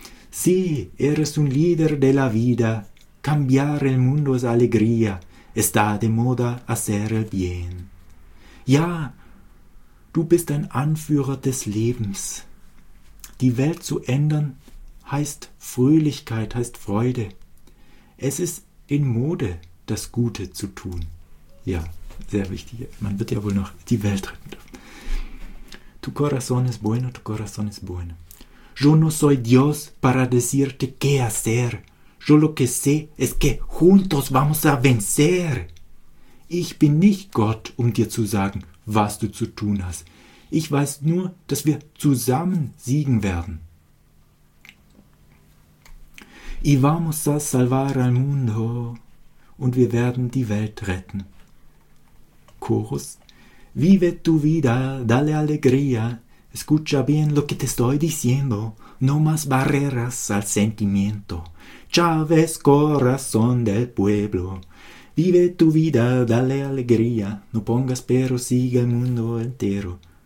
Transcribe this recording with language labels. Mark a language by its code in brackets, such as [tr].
[es] Sí, eres un líder de la vida, cambiar el mundo es alegría, está de moda hacer el bien. [de] Ja, du bist ein Anführer des Lebens. Die Welt zu ändern, heißt Fröhlichkeit, heißt Freude. Es ist in Mode, das Gute zu tun. Ja, sehr wichtig. Man wird ja wohl noch die Welt retten dürfen. [es] Tu corazón es bueno, tu corazón es bueno. Yo no soy Dios para decirte qué hacer. Yo lo que sé es que juntos vamos a vencer. [de] Ich bin nicht Gott, um dir zu sagen, was du zu tun hast. Ich weiß nur, dass wir zusammen siegen werden. [es] Y vamos a salvar al mundo. [de] Und wir werden die Welt retten. [es] Chorus. Vive tu vida, dale alegría. Escucha bien lo que te estoy diciendo. No más barreras al sentimiento. Chávez, corazón del pueblo, vive tu vida, dale alegría, no pongas pero sigue el mundo entero.